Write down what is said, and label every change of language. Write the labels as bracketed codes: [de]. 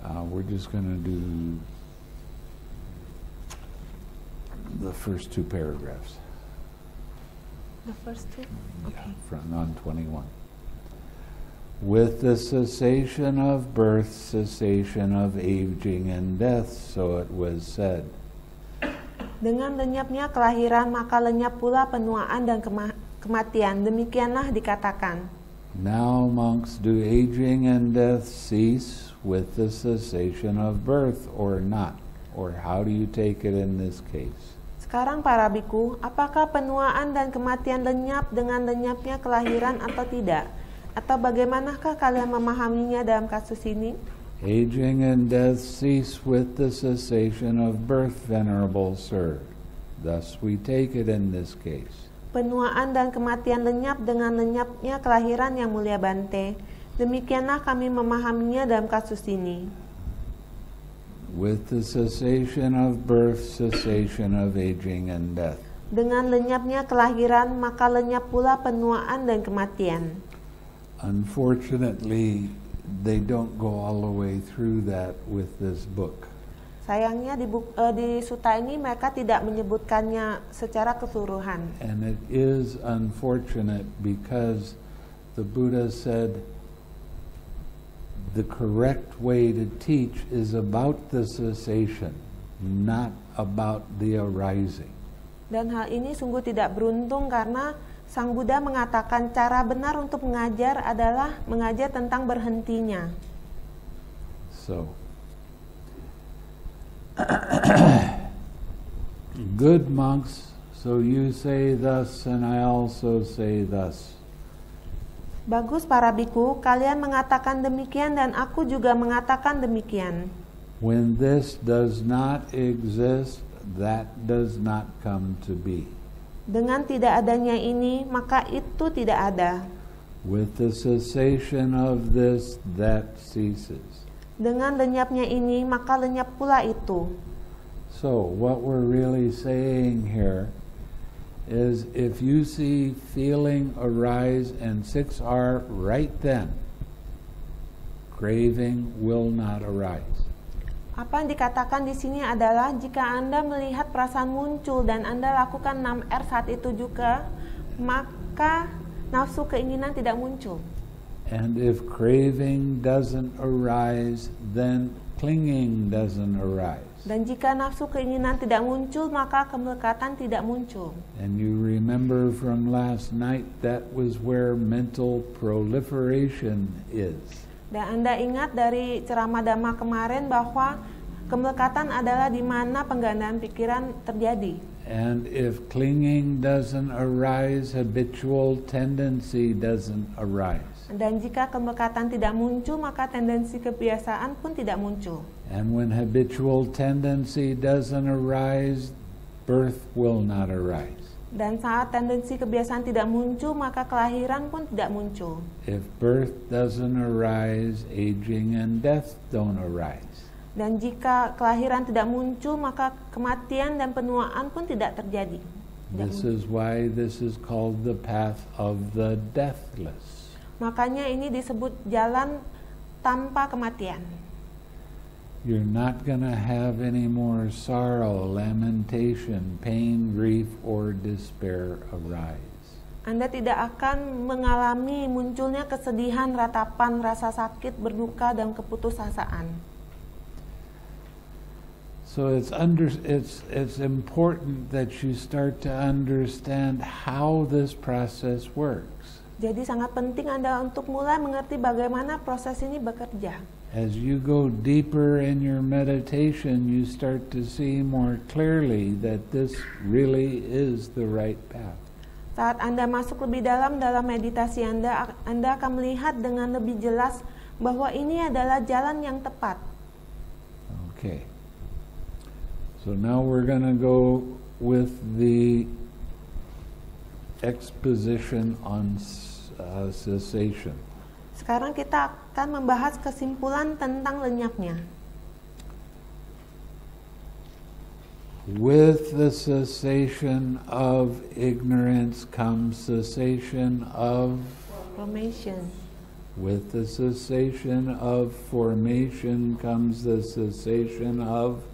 [en] We're just going to do the first two paragraphs. The first two? Yeah, okay. From on 21. With the cessation of birth, cessation of aging and death, so it was said. [id] Dengan lenyapnya kelahiran, maka lenyap pula penuaan dan kematian. Demikianlah dikatakan. [en] Now, monks, do aging and death cease with the cessation of birth or not? Or how do you take it in this case? [id] Sekarang para bhikkhu, apakah penuaan dan kematian lenyap dengan lenyapnya kelahiran atau tidak? Atau bagaimanakah kalian memahaminya dalam kasus ini? [en] Aging and death cease with the cessation of birth, venerable sir. Thus we take it in this case. [id] Penuaan dan kematian lenyap dengan lenyapnya kelahiran, yang mulia Bante. Demikianlah kami memahaminya dalam kasus ini. [en] With the cessation of birth, cessation of aging and death. [id] Dengan lenyapnya kelahiran, maka lenyap pula penuaan dan kematian. [en] Unfortunately, they don't go all the way through that with this book. [id] Sayangnya di suta ini mereka tidak menyebutkannya secara keseluruhan. [en] And it is unfortunate because the Buddha said the correct way to teach is about the cessation, not about the arising. [id] Dan hal ini sungguh tidak beruntung karena Sang Buddha mengatakan cara benar untuk mengajar adalah mengajar tentang berhentinya. [en] So, good monks, so you say thus and I also say thus. [id] Bagus para bhikkhu, kalian mengatakan demikian dan aku juga mengatakan demikian. [en] When this does not exist, that does not come to be. [id] Dengan tidak adanya ini, maka itu tidak ada. [en] With the cessation of this, that ceases. [id] Dengan lenyapnya ini, maka lenyap pula itu. [en] So, what we're really saying here is if you see feeling arise and six are right then, craving will not arise. [id] Apa yang dikatakan di sini adalah jika Anda melihat perasaan muncul dan Anda lakukan 6R saat itu juga, maka nafsu keinginan tidak muncul. [en] And if craving doesn't arise, then clinging doesn't arise. [id] Dan jika nafsu keinginan tidak muncul, maka kemelekatan tidak muncul. [en] And you remember from last night, that was where mental proliferation is. [id] Dan Anda ingat dari ceramah Dhamma kemarin bahwa kemelekatan adalah di mana penggandaan pikiran terjadi. [en] And if clinging doesn't arise, habitual tendency doesn't arise. [id] Dan jika kemelekatan tidak muncul, maka tendensi kebiasaan pun tidak muncul. [en] And when habitual tendency doesn't arise, birth will not arise. [id] Dan saat tendensi kebiasaan tidak muncul, maka kelahiran pun tidak muncul. [en] If birth doesn't arise, aging and death don't arise. [id] Dan jika kelahiran tidak muncul, maka kematian dan penuaan pun tidak terjadi. [en] This is why this is called the path of the deathless. [id] Makanya ini disebut jalan tanpa kematian. [en] You're not going to have any more sorrow, lamentation, pain, grief, or despair arise. [id] Anda tidak akan mengalami munculnya kesedihan, ratapan, rasa sakit, berduka, dan keputusasaan. [en] So it's important that you start to understand how this process works. [id] Jadi sangat penting Anda untuk mulai mengerti bagaimana proses ini bekerja. [en] As you go deeper in your meditation, you start to see more clearly that this really is the right path. [id] Saat Anda masuk lebih dalam dalam meditasi Anda, Anda akan melihat dengan lebih jelas bahwa ini adalah jalan yang tepat. [en] Okay. So now we're going to go with the exposition on cessation. [id] Sekarang kita akan membahas kesimpulan tentang lenyapnya. [en] With the cessation of ignorance comes cessation of formation. With the cessation of formation comes the cessation of